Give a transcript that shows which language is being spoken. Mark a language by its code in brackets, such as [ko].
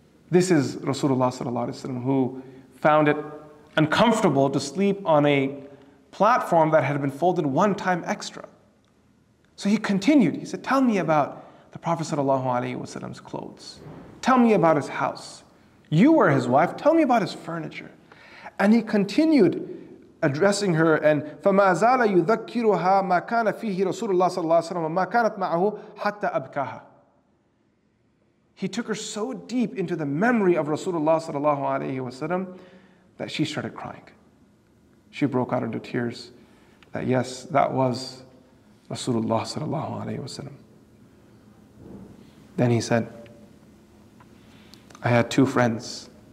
[en] This is Rasulullah sallallahu alaihi wasallam, who found it uncomfortable to sleep on a platform that had been folded one time extra. So he continued. He said, tell me about the Prophet sallallahu alaihi wasallam's clothes. Tell me about his house. You were his wife. Tell me about his furniture. And he continued addressing her, and [ar] فَمَا زَالَ يُذَكِّرُهَا مَا كَانَ فِيهِ رَسُولُ اللَّهِ صَلَى اللَّهِ عَلَيْهِ وَسَلَّمَ مَا كَانَتْ مَعَهُ حَتَّى أَبْكَاهَا. [en] He took her so deep into the memory of Rasulullah sallallahu alayhi wa sallam that she started crying. She broke out into tears that yes, that was Rasulullah sallallahu alayhi wa sallam. Then he said, I had two friends.